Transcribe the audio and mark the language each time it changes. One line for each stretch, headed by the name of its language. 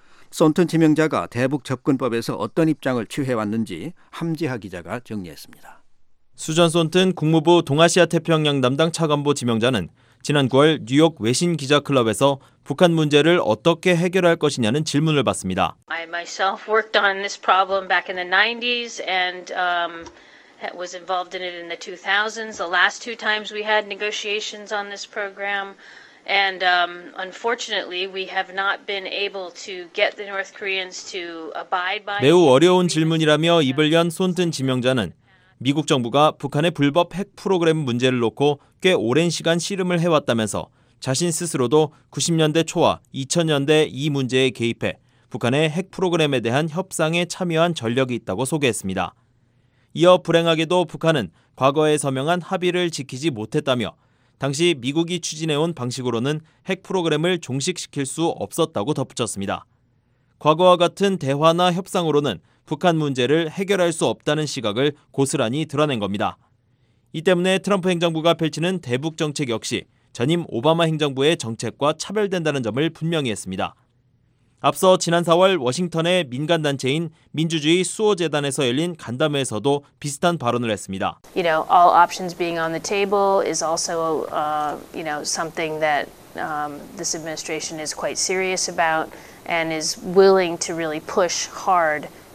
Korean: 썬튼 지명자가 대북 접근법에서 어떤 입장을 취해왔는지 함지하 기자가 정리했습니다. 수전 썬튼 국무부 동아시아 태평양 담당 차관보 지명자는 지난 9월 뉴욕 외신 기자 클럽에서 북한 문제를 어떻게 해결할 것이냐는 질문을 받습니다.
English: I myself worked on this problem back in the 90s and was involved in it in the 2000s. The last two times we had negotiations on this program and unfortunately we have not been able to get the North Koreans to abide by
Korean: 매우 어려운 질문이라며 입을 연 손튼 지명자는 미국 정부가 북한의 불법 핵 프로그램 문제를 놓고 꽤 오랜 시간 씨름을 해왔다면서 자신 스스로도 90년대 초와 2000년대 이 문제에 개입해 북한의 핵 프로그램에 대한 협상에 참여한 전력이 있다고 소개했습니다. 이어 불행하게도 북한은 과거에 서명한 합의를 지키지 못했다며 당시 미국이 추진해온 방식으로는 핵 프로그램을 종식시킬 수 없었다고 덧붙였습니다. 과거와 같은 대화나 협상으로는 북한 문제를 해결할 수 없다는 시각을 고스란히 드러낸 겁니다. 이 때문에 트럼프 행정부가 펼치는 대북 정책 역시 전임 오바마 행정부의 정책과 차별된다는 점을 분명히 했습니다. 앞서 지난 4월 워싱턴의 민간단체인 민주주의 수호재단에서 열린 간담회에서도 비슷한 발언을 했습니다.
English: You know, all options being on the table is also, you know, something that this administration is quite serious about and is willing to really push hard.